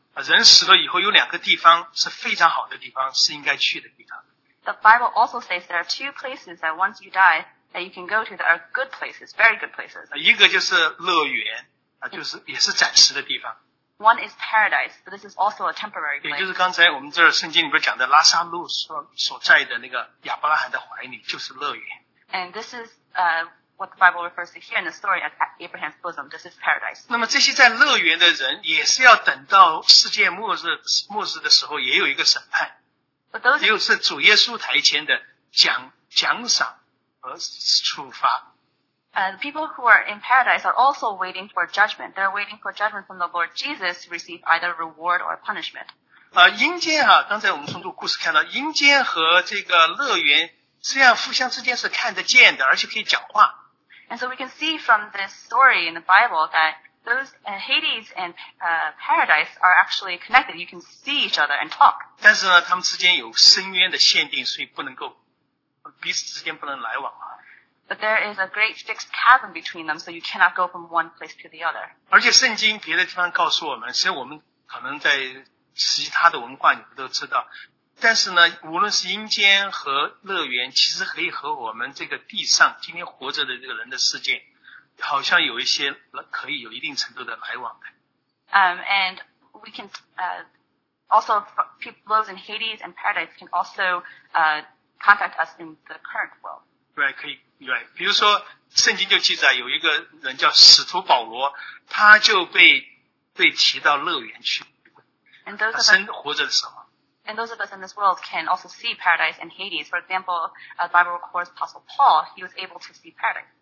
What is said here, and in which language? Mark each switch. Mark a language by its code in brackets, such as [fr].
[zh] 人死了以后，有两个地方是非常好的地方，是应该去的地方。 [en] The Bible also says there are two places that once you die that you can go to that are good places, very good places. [zh] 一个就是乐园，就是也是暂时的地方。 [en] One is paradise, but this is also a temporary place. [zh] 也就是刚才我们这圣经里面讲的拉萨路 所在的那个亚伯拉罕的怀里就是乐园。 [en] And this is what the Bible refers to here in the story at Abraham's bosom. This is paradise. [zh] 那么这些在乐园的人也是要等到世界末日的时候也有一个审判。 [en] But those [zh] 也有是主耶稣台前的奖赏和处罚。 [en] The people who are in paradise are also waiting for judgment. They're waiting for judgment from the Lord Jesus to receive either reward or punishment. [zh] 阴间啊，刚才我们从这个故事看到，阴间和这个乐园这样互相之间是看得见的，而且可以讲话。 [en] And so we can see from this story in the Bible that those Hades and paradise are actually connected. You can see each other and talk. [zh] 但是呢，他们之间有深渊的限定，所以不能够彼此之间不能来往啊。 [en] But there is a great fixed chasm between them, so you cannot go from one place to the other. [zh] 而且圣经别的地方告诉我们，虽然我们可能在其他的文化你们都知道，但是呢，无论是阴间和乐园，其实可以和我们这个地上今天活着的这个人的世界，好像有一些可以有一定程度的来往的。 [en] And we can also people in Hades and Paradise can also contact us in the current world. Right, [zh] 可以。对，比如说圣经就记载有一个人叫使徒保罗，他就被提到乐园去。 [en] And those [zh] 他生活着的时候。 [en] And those of us in this world can also see paradise and Hades. For example, the Bible records Apostle Paul, he was able to see paradise.